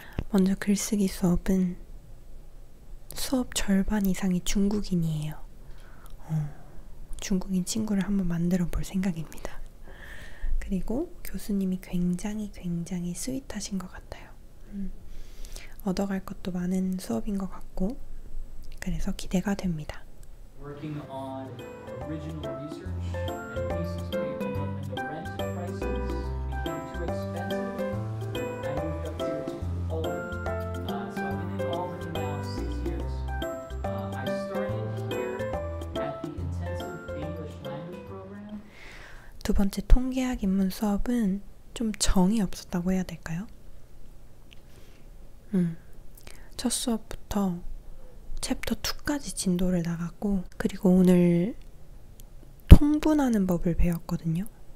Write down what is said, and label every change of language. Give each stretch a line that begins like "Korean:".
Korean: 먼저 글쓰기 수업은 수업 절반 이상이 중국인이에요. 중국인 친구를 한번 만들어 볼 생각입니다. 그리고 교수님이 굉장히 스윗하신 것 같아요. 얻어갈 것도 많은 수업인 것 같고 그래서 기대가 됩니다.
English: Working on original research and pieces of paper, and the rent prices became too expensive. I moved up here to Albany. So I've been in Albany now 6 years. I started here at the intensive English language program.
Korean: 두 번째 통계학 입문 수업은 좀 정이 없었다고 해야 될까요? 첫 수업부터 챕터 2까지 진도를 나갔고, 그리고 오늘 통분하는 법을 배웠거든요.